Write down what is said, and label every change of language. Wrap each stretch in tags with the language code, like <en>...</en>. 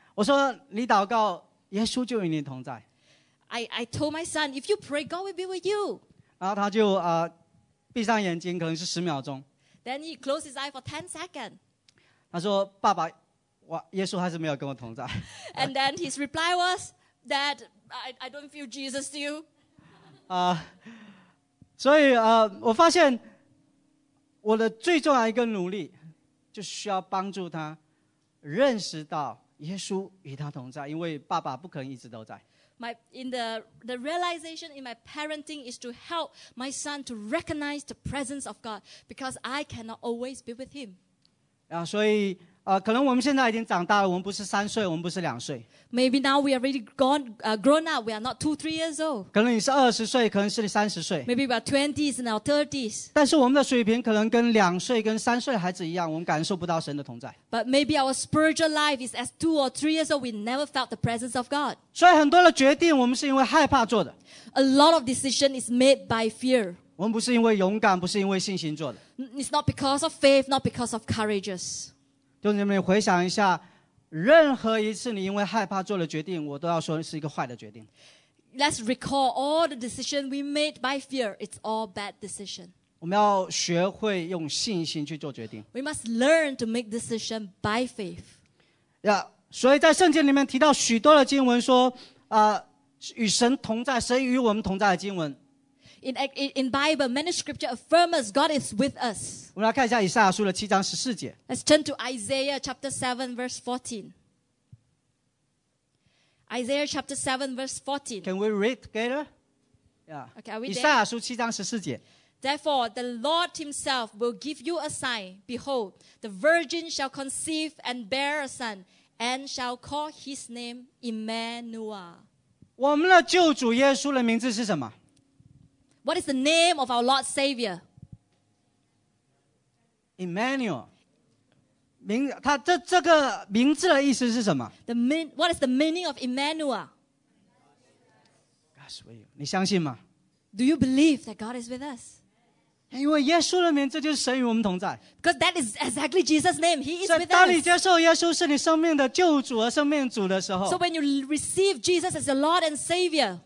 <zh>我说你祷告，耶稣就与你同在。</zh> <en>I told my son, if you pray, God will be with you.</en> <zh>然后他就闭上眼睛，可能是十秒钟。</zh> <en>Then he closed his eye for 10 seconds.</en> <zh>他说：“爸爸，耶稣还是没有跟我同在。”</zh> <en>And then his reply was, "Dad, I don't feel Jesus still."</en> <zh>所以我发现我的最重要一个努力，就是需要帮助他认识到耶稣与他同在，因为爸爸不可能一直都在。</zh> <en>The realization in my parenting is to help my son to recognize the presence of God because I cannot always be with him.</en> <zh>啊，所以可能我们现在已经长大了，我们不是三岁，我们不是两岁。</zh> <en>Maybe now we are already grown up. We are not 2-3 years old.</en> <zh>可能你是20岁，可能是你30岁。</zh> <en>Maybe we are 20s and our 30s.</en> <zh>但是我们的水平可能跟两岁、跟三岁的孩子一样，我们感受不到神的同在。</zh> <en>But maybe our spiritual life is as 2 or 3 years old. We never felt the presence of God.</en> <zh>所以很多的决定，我们是因为害怕做的。</zh> <en>A lot of decision is made by fear.</en> <zh>我们不是因为勇敢，不是因为信心做的。</zh> <en>It's not because of faith, not because of courageous.</en> <zh>弟兄姊妹，回想一下，任何一次你因为害怕做了决定，我都要说是一个坏的决定。</zh> <en>Let's recall all the decisions we made by fear. It's all bad decision.</en> <zh>我们要学会用信心去做决定。</zh> <en>We must learn to make decision by faith.</en> <zh>呀，所以在圣经里面提到许多的经文说，与神同在，神与我们同在的经文。</zh> <en>In Bible, many scriptures affirm us God is with us.</en> <zh>我们来看一下以赛亚书的7章14节。</zh> <en>Let's turn to Isaiah chapter 7, verse 14. Isaiah chapter 7, verse 14. Can we read together? Yeah. Okay, are we there?</en> <zh>以赛亚书7章14节.</zh> <en>Therefore, the Lord himself will give you a sign. Behold, the virgin shall conceive and bear a son, and shall call his name Emmanuel.</en> <zh>我们的救主耶稣的名字是什么?</zh> <en>What is the name of our Lord's Savior? Emmanuel.</en> <zh>他这个名字的意思是什么?</zh> <en>What is the meaning of Emmanuel? God's with you.</en> <zh>你相信吗?</zh> <en>Do you believe that God is with us?</en> <zh>因为耶稣的名字就是神与我们同在.</zh> <en>Because that is exactly Jesus' name. He is with us.</en> <zh>当你接受耶稣是你生命的救主和生命主的时候,</zh> <en>so when you receive Jesus as your Lord and Savior,</en>